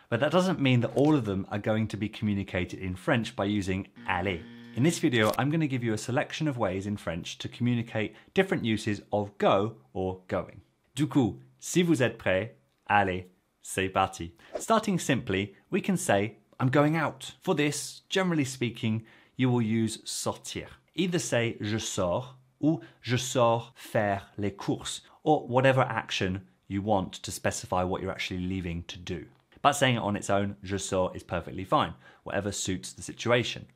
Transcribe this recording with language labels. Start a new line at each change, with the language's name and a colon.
English: But that doesn't mean that all of them are going to be communicated in French by using aller. In this video, I'm going to give you a selection of ways in French to communicate different uses of go or going.
French: Du coup, si vous êtes prêt, allez, c'est parti.
English: Starting simply, we can say, I'm going out. For this, generally speaking, you will use sortir. Either say,
French: je sors, ou je sors faire les courses,
English: or whatever action you want to specify what you're actually leaving to do. But saying it on its own,
French: je sors,
English: is perfectly fine, whatever suits the situation.